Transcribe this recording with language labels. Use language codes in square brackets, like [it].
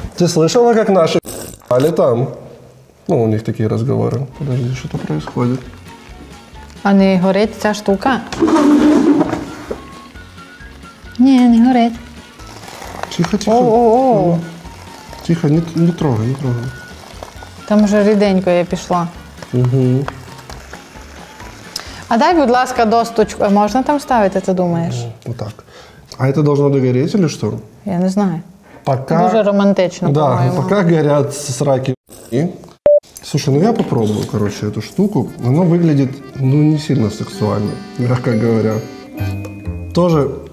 [ru] Ты слышала, как наши пали там? Ну, у них такие разговоры. Подожди, что-то происходит. А не горит эта штука? Не, не горит. Тихо, тихо. О-о-о. Тихо, не, не трогай, не трогай. [uk] Там уже ріденько я пішла. Угу. А дай, будь ласка, досточку. Можна там ставити, ти думаєш? Ну, так. [ru] А це должно догореть или что? Я не знаю. Пока... [uk] Дуже романтично, [ru] да, по-моему. Пока горят сраки. Слушай, ну я попробую, короче, эту штуку. Оно выглядит, ну, не сильно сексуально, мягко говоря. Тоже...